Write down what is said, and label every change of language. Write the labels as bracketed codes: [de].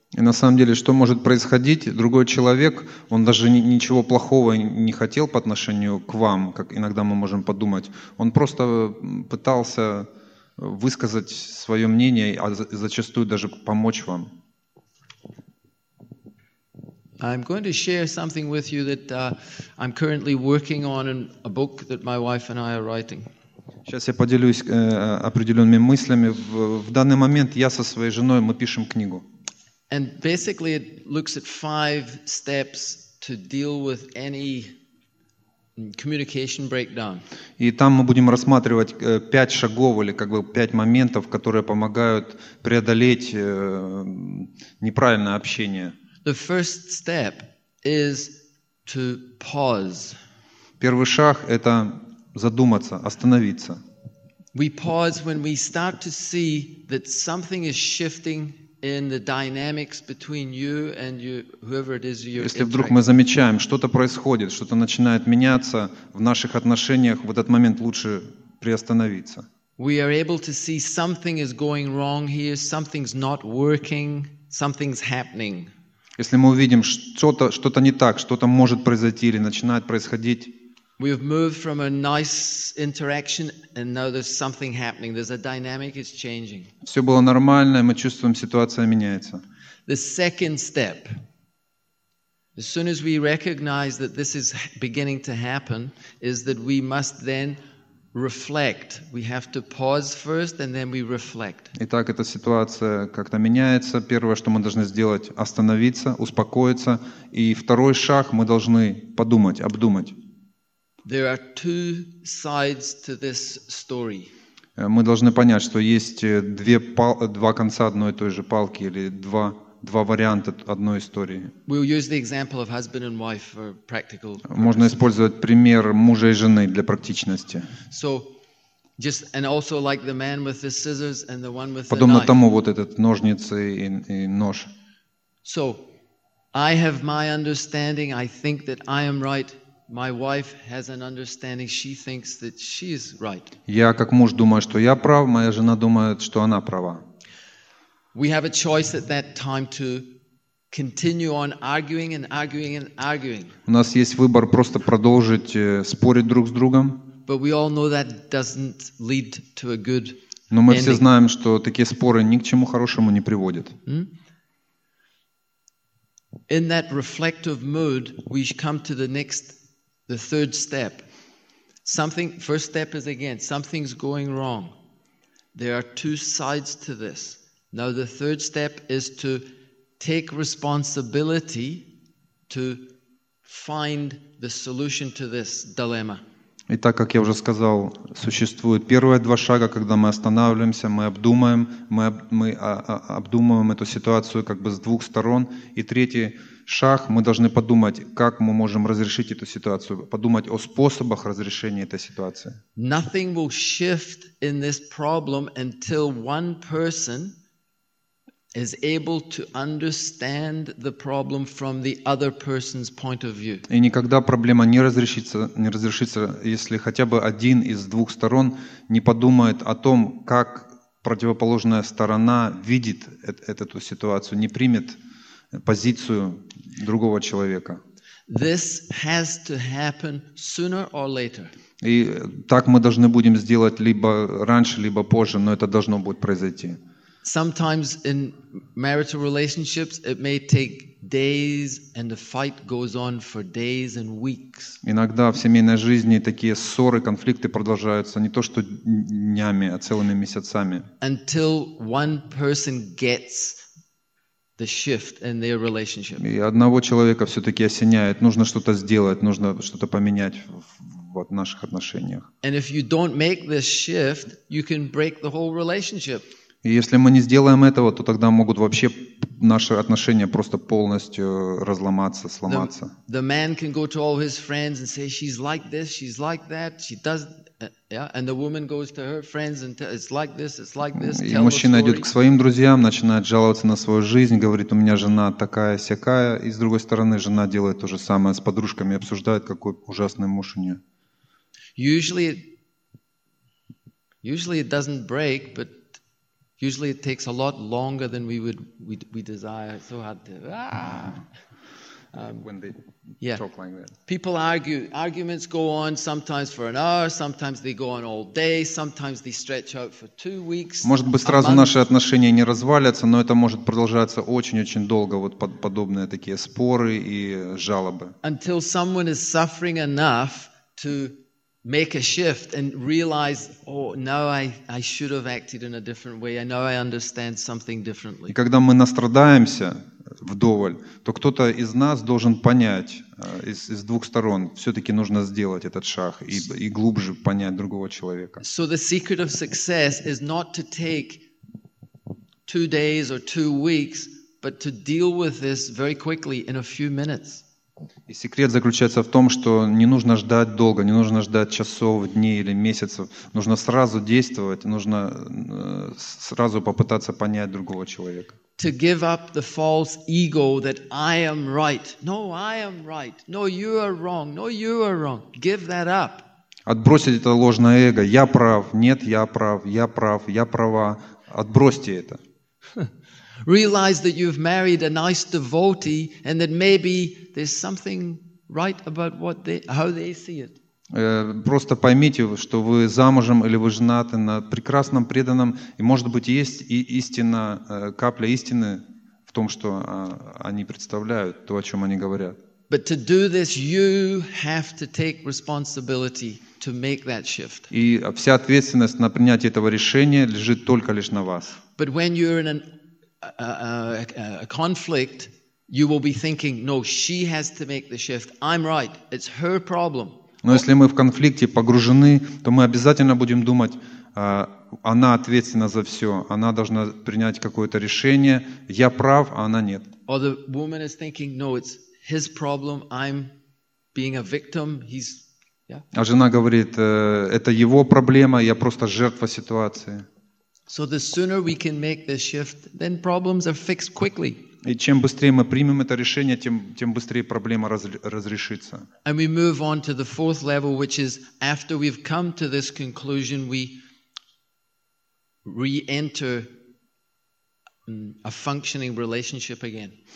[ru] И на самом деле, что может происходить? Другой человек, он даже ничего плохого не хотел по отношению к вам, как иногда мы можем подумать. Он просто пытался высказать свое мнение, а зачастую даже помочь вам. [en] I'm going to share something with you that I'm currently working on in a book that my wife and I are writing. [ru] Сейчас я поделюсь определенными мыслями. В данный момент я со своей женой, мы пишем книгу. [en] And basically it looks at five steps to deal with any communication breakdown. [ru] И там мы будем рассматривать пять шагов или как бы пять моментов, которые помогают преодолеть неправильное общение. [en] The first step is to pause. [ru] Первый шаг – это задуматься, остановиться. [en] We pause when we start to see that something is shifting in the dynamics between you and you, whoever it is you're. [ru] Если вдруг мы замечаем, что-то происходит, что-то начинает меняться в наших отношениях, в этот момент лучше приостановиться. [en] We are able to see something is going wrong here, something's not working, something's happening. [ru] Если мы увидим что-то не так, что-то может произойти или начинает происходить. [en] We have moved from a nice interaction and now there's something happening. There's a dynamic, it's changing. [ru] Все было нормально, мы чувствуем, ситуация меняется. [en] The second step. As soon as we recognize that this is beginning to happen, is that we must then reflect. We have to pause first and then we reflect. [ru] Итак, эта ситуация как-то меняется. Первое, что мы должны сделать, остановиться, успокоиться. И второй шаг, мы должны подумать, обдумать. [en] There are two sides to this story. [ru] Мы должны понять, что есть два конца одной и той же палки или два варианта одной истории. [en] We'll use the example of husband and wife for practical purposes. [ru] Можно использовать пример мужа и жены для практичности. [en] So, just and also like the man with the scissors and the one with [ru] подобно [en] the knife. [ru] Подобно тому, вот этот ножницы и нож. [en] So, I have my understanding. I think that I am right. My wife has an understanding. She thinks that she is right. [ru] Я как муж думаю, что я прав. Моя жена думает, что она права. [en] We have a choice at that time to continue on arguing and arguing and arguing. [ru] У нас есть выбор просто продолжить спорить друг с другом. [en] But we all know that doesn't lead to a good. [ru] Но мы [en] ending. [ru] Все знаем, что такие споры ни к чему хорошему не приводят. [en] In that reflective mood, we come to the next. The third step. Something, first step is again, something's going wrong. There are two sides to this. Now the third step is to take responsibility to find the solution to this dilemma. [ru] И так, как я уже сказал, существует первые два шага, когда мы останавливаемся, мы обдумаем, мы обдумываем эту ситуацию как бы с двух сторон. И третий шаг, мы должны подумать, как мы можем разрешить эту ситуацию, подумать о способах разрешения этой ситуации. [en] Nothing will shift in this problem until one person is able to understand the problem from the other person's point of view. [ru] И никогда проблема не разрешится, если хотя бы один из двух сторон не подумает о том, как противоположная сторона видит эту ситуацию, не примет позицию другого человека. [en] This has to happen sooner or later. [ru] И так мы должны будем сделать либо раньше, либо позже, но это должно будет произойти. [en] Sometimes in marital relationships it may take days and the fight goes on for days and weeks. [ru] Иногда в семейной жизни такие ссоры, конфликты продолжаются не то что днями, а целыми месяцами. [en] Until one person gets the shift in their relationship. [ru] И одного человека все-таки осеняет, нужно что-то сделать, нужно что-то поменять в наших отношениях. [en] And if you don't make this shift, you can break the whole relationship. [ru] И если мы не сделаем этого, то тогда могут вообще наши отношения просто полностью разломаться, сломаться. [en] The man can go to all his friends and say she's like this, she's like that, she does. Yeah, and the woman goes to her friends and it's like this, it's like this. [ru] И мужчина идет к своим друзьям, начинает жаловаться на свою жизнь, говорит, у меня жена такая сякая. И с другой стороны, жена делает то же самое с подружками, обсуждает, какой ужасный муж у нее. [en] Usually it doesn't break, but usually it takes a lot longer than we desire. So hard to When they talk like that. People argue. Arguments go on sometimes for an hour. Sometimes they go on all day. Sometimes they stretch out for 2 weeks. [ru] Может быть, сразу наши отношения не развалятся, но это может продолжаться очень-очень долго. Вот подобные такие споры и жалобы. [en] Until someone is suffering enough to make a shift and realize, oh, now I should have acted in a different way. I know I understand something differently. [ru] И когда мы настрадаемся вдоволь, то кто-то из нас должен понять из двух сторон, все-таки нужно сделать этот шаг и глубже понять другого человека. [en] So the secret of success is not to take 2 days or 2 weeks, but to deal with this very quickly in a few minutes. [ru] И секрет заключается в том, что не нужно ждать долго, не нужно ждать часов, дней или месяцев. Нужно сразу действовать, нужно сразу попытаться понять другого человека. [en] To give up the false ego that I am right. No, I am right. No, you are wrong. No, you are wrong. Give that up. [ru] Отбросить это ложное эго. Я прав. Нет, я прав. Я прав. Я права. Отбросьте это. [en] Realize that you've married a nice devotee and that maybe there's something right about what they, how they see it. [ru] Просто поймите, что вы замужем или вы женаты на прекрасном преданном, и может быть есть и истина, капля истины в том, что они представляют, то, о чем они говорят. [en] But to do this, you have to take responsibility to make that shift. [ru] И вся ответственность на принятие этого решения лежит только лишь на вас. [en] But when you're in a conflict, you will be thinking, no, she has to make the shift. I'm right. It's her problem. [ru] Но если мы в конфликте погружены, то мы обязательно будем думать, она ответственна за все, она должна принять какое-то решение, я прав, а она нет. [en] Or the woman is thinking, no, it's his problem, I'm being a victim, he's... [ru] А жена говорит, это его проблема, я просто жертва ситуации. [en] So the sooner we can make this shift, then problems are fixed quickly. [ru] И чем быстрее мы примем это решение, тем быстрее проблема разрешится. [en] And we move on to the fourth level, which is after we've come to this conclusion, we re-enter a functioning relationship again.